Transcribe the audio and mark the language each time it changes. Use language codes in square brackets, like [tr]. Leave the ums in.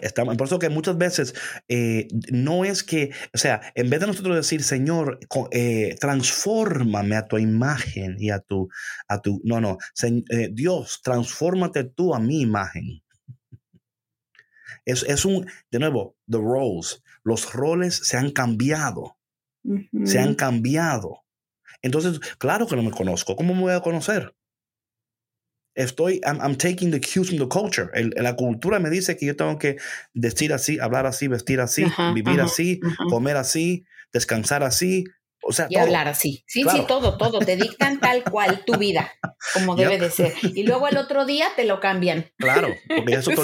[es] Estamos, por eso que muchas veces eh, no es que, o sea, en vez de nosotros decir, Señor, eh, transfórmame a tu imagen y a tu, a tu, no, no, se, eh, Dios, transfórmate tú a mi imagen. Es, es un, de nuevo, [en] the roles, [es] los roles se han cambiado, uh -huh. se han cambiado. Entonces, claro que no me conozco. ¿Cómo me voy a conocer? [en] Estoy, I'm, I'm taking the cues from the culture. [es] El, la cultura me dice que yo tengo que decir así, hablar así, vestir así, ajá, vivir ajá, así, ajá. comer así, descansar así. O sea, y todo. hablar así. Sí, claro. sí, todo, todo. Te dictan tal cual tu vida, como debe yep. de ser. Y luego el otro día te lo cambian. Claro, porque es otro